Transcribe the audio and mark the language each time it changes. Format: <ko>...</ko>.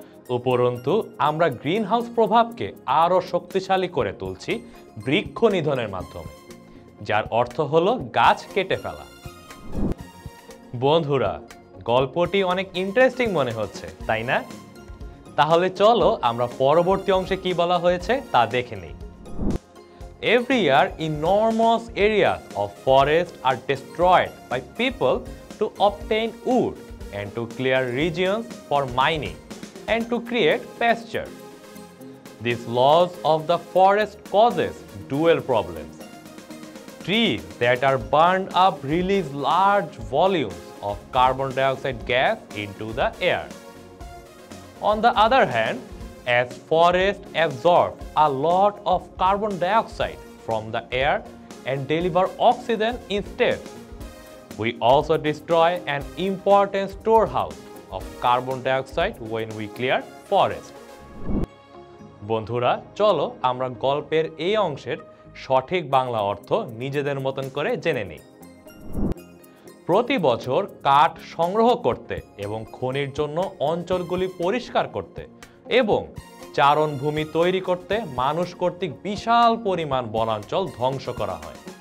<bn>উপরন্তু আমরা গ্রিনহাউস প্রভাবকে আরও শক্তিশালী করে তুলছি বৃক্ষ নিধনের মাধ্যমে, যার অর্থ হল গাছ কেটে ফেলা। বন্ধুরা, গল্পটি অনেক ইন্টারেস্টিং মনে হচ্ছে, তাই না? তাহলে চলো আমরা পরবর্তী অংশে কি বলা হয়েছে তা দেখে নিই।</bn> <en>Every year, enormous areas of forest are destroyed by people to obtain wood and to clear regions for mining and to create pasture. This loss of the forest causes dual problems. Trees that are burned up release large volumes of carbon dioxide gas into the air. On the other hand, as forests absorb a lot of carbon dioxide from the air and deliver oxygen instead, we also destroy an important storehouse of carbon dioxide when we clear forest.</en> <bn>বন্ধুরা, চলো আমরা গল্পের এই অংশের সঠিক বাংলা অর্থ নিজেদের মতন করে জেনে নিই। প্রতি বছর কাঠ সংগ্রহ করতে এবং খনির জন্য অঞ্চলগুলি পরিষ্কার করতে এবং চারণভূমি তৈরি করতে মানুষ কর্তৃক বিশাল পরিমাণ বনাঞ্চল ধ্বংস করা হয়।</bn>